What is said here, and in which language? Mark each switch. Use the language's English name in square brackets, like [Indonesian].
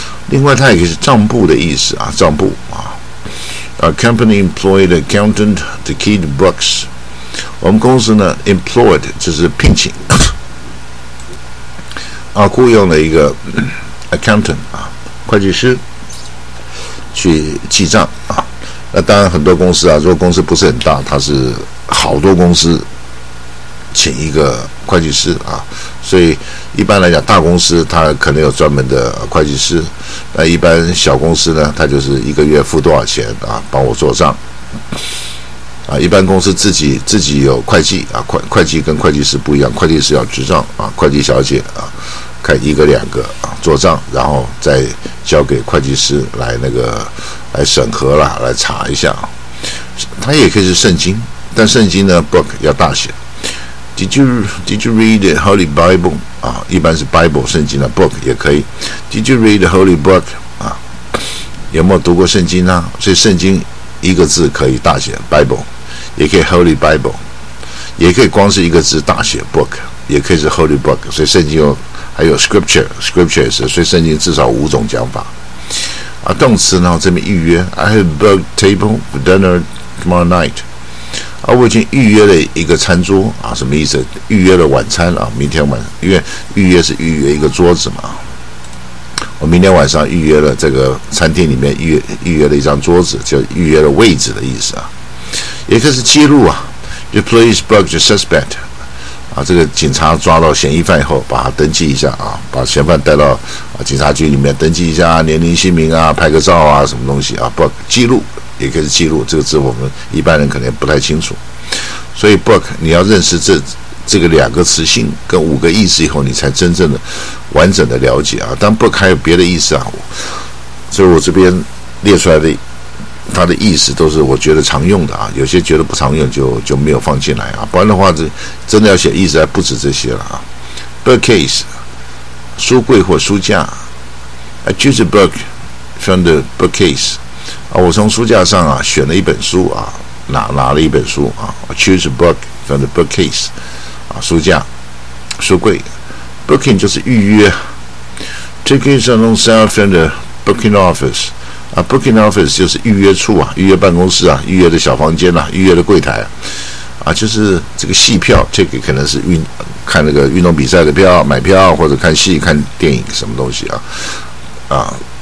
[Chinese] 另外，它也可以是账簿的意思啊，账簿啊。 [English] A company employed accountant to keep books. [Chinese] 我们公司呢 ，employed 就是聘请啊，雇佣了一个 accountant 啊，会计师去记账啊。那当然，很多公司啊，如果公司不是很大，它是好多公司请一个会计师啊。所以一般来讲，大公司它可能有专门的会计师。那一般小公司呢，他就是一个月付多少钱啊，帮我做账啊。一般公司自己有会计啊，会计跟会计师不一样，会计师要执账啊，会计小姐啊，开一个两个啊做账，然后再交给会计师来那个来审核啦，来查一下。他也可以是圣经，但圣经呢 book 要大写。 [English] Did you read the Holy Bible？ [Chinese] 啊，一般是 Bible 圣经的 book 也可以。 [English] Did you read the Holy Book？ [Chinese] 啊，有没有读过圣经呢？所以圣经一个字可以大写 Bible， 也可以 Holy Bible， 也可以光是一个字大写 book， 也可以是 Holy Book。所以圣经有还有 Scripture 也是。所以圣经至少五种讲法。啊，动词呢，这边预约 ， [English] I have booked table for dinner tomorrow night。 [Chinese] 啊，我已经预约了一个餐桌啊，什么意思？预约了晚餐啊，明天晚，因为预约是预约一个桌子嘛。我明天晚上预约了这个餐厅里面预约了一张桌子，就预约了位置的意思啊。也可以是记录啊 ， [English] the police book the suspect [Chinese] 啊，这个警察抓到嫌疑犯以后，把他登记一下啊，把嫌犯带到警察局里面登记一下，年龄、姓名啊，拍个照啊，什么东西啊 ，book 记录。也可以是记录，这个字我们一般人可能也不太清楚，所以 book 你要认识这个两个词性跟五个意思以后，你才真正的完整的了解啊。但 book 还有别的意思啊，所以我这边列出来的它的意思都是我觉得常用的啊，有些觉得不常用就没有放进来啊，不然的话这真的要写意思还不止这些了啊。 [English] bookcase [Chinese] 书柜或书架 [English] ，I choose a book from the bookcase [Chinese] 啊，我从书架上啊选了一本书啊，拿了一本书啊 ， [English] I choose a book from the bookcase [Chinese] 啊，书架、书柜 ，booking 就是预约 ， [English] taking something from the booking office [Chinese] 啊 ，booking office 就是预约处啊，预约办公室啊，预约的小房间啊，预约的柜台 啊，就是这个戏票 ，take 可能是看那个运动比赛的票，买票或者看戏、看电影什么东西啊，啊。